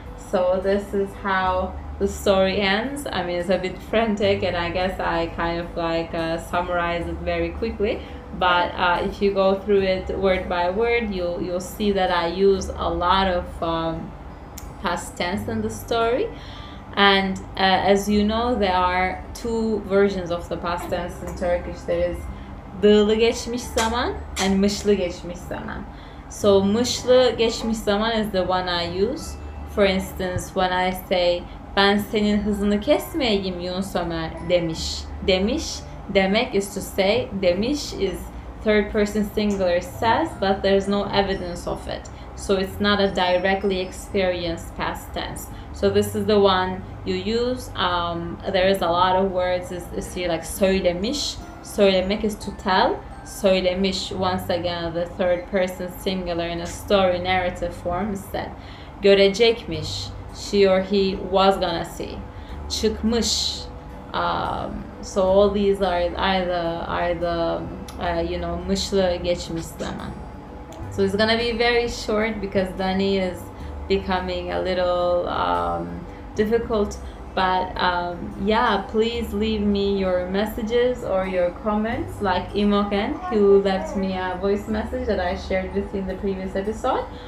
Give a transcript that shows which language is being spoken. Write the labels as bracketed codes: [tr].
[en] So this is how the story ends. I mean, it's a bit frantic, and I guess I kind of like summarize it very quickly. But if you go through it word by word, you'll see that I use a lot of past tense in the story. And as you know, there are two versions of the past tense in Turkish. There is [tr] dığlı geçmiş zaman [en] and [tr] mışlı geçmiş zaman. [en] So [tr] mışlı geçmiş zaman [en] is the one I use For instance, when I say [tr] ben senin hızını kesmeyeyim Yunus Ömer demiş. [en] Demiş demek is to say, demiş is third person singular says, but there's no evidence of it. So it's not a directly experienced past tense. So this is the one you use. There is a lot of words, is you see, like söylemiş. Söylemek is to tell. Söylemiş, once again, the third person singular in a story narrative form is said. Görecekmiş, she or he was gonna see. Çıkmış, so all these are the [tr] mışlı geçmiş zaman. [en] So it's gonna be very short because Dani is becoming a little difficult. But yeah, please leave me your messages or your comments, like Imogen, who left me a voice message that I shared with you in the previous episode.